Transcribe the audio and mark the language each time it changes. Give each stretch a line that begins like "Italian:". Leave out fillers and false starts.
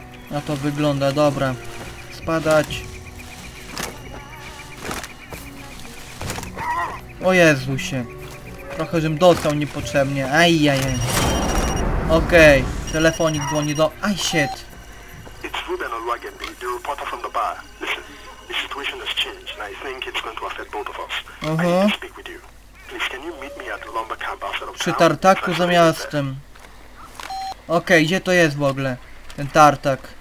Polish: Na to wygląda, dobra. Spadać. O Jezusie. Trochę żebym dostał niepotrzebnie. Ajajaj. Okej, telefonik dzwoni do... Aj, shit.
English: It's Ruben O'Regan, the reporter from the bar. Listen, the situation has changed and I think it's going to affect both of us. I need to speak with you. Please, can you meet me at the lumber camp outside of town?
Polish: Przy tartaku za miastem. Okej, gdzie to jest w ogóle? Ten tartak.